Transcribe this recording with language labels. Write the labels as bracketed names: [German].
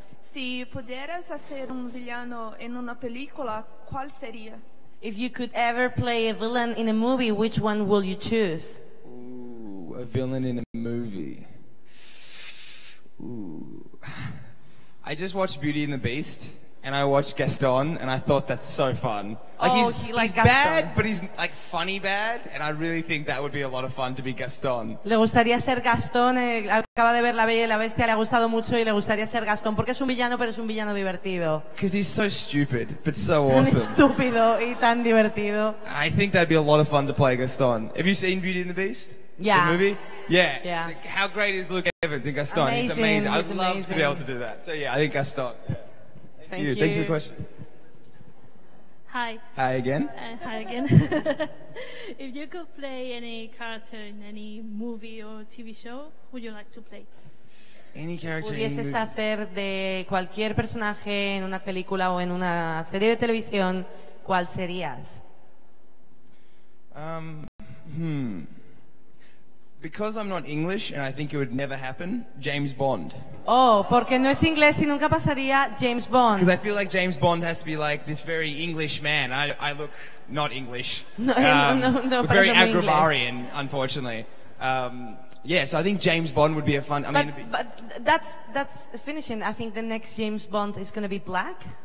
[Spanish] Si pudieras hacer un villano en una película, ¿cuál sería? [English] If you could ever play a villain in a movie, which one will you choose? Ooh, a villain in a movie. Ooh. I just watched Beauty and the Beast, and I watched Gaston, and I thought that's so fun. Like, oh, he's Gaston. Bad, but he's like funny bad, and I really think that would be a lot of fun to be Gaston. [Spanish] Le gustaría ser Gastón. Acaba de ver La Bella y la Bestia, le ha gustado mucho y le gustaría ser Gastón porque es un villano, pero es un villano divertido. [English] Because he's so stupid, but so awesome. [Spanish] Tan estúpido y tan divertido. [English] I think that'd be a lot of fun to play Gaston. Have you seen Beauty and the Beast? Yeah. The movie? Yeah. Yeah. How great is Luke Evans in Gaston? Amazing. He's amazing. He's I'd love to be able to do that. So yeah, I think Gaston. Thank you. Thanks for the question. Hi. Hi again. Hi again. If you could play any character in any movie or TV show, who would you like to play? Any character. [Spanish] Pudieses hacer de cualquier personaje en una película o en una serie de televisión, ¿cuál serías? [English] Because I'm not English and I think it would never happen, James Bond. [Spanish] Oh, porque no es inglés y nunca pasaría, James Bond. [English] Because I feel like James Bond has to be like this very English man. I look not English. No, very Agrabarian, unfortunately. Yeah, so I think James Bond would be a fun. But that's finishing. I think the next James Bond is going to be black.